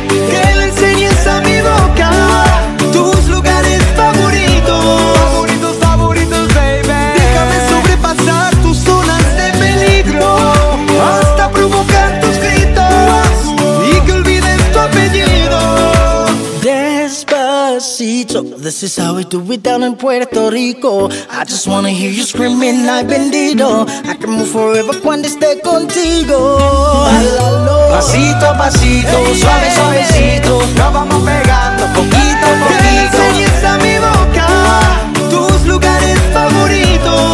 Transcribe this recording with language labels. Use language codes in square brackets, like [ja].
[es] Que le enseñes a mi boca tus lugares favoritos. Favoritos, favoritos, baby. Déjame sobrepasar tus zonas de peligro. Hasta provocar tus gritos. Y que olvides tu apellido. Despacito. [en] This is how we do it down in Puerto Rico. I just wanna hear you screaming, [es] ay bendito. [en] I can move forever [es] cuando esté contigo. Pasito a pasito, suave, suavecito. Nos vamos pegando poquito a poquito. Que enseñes a mi boca tus lugares favoritos.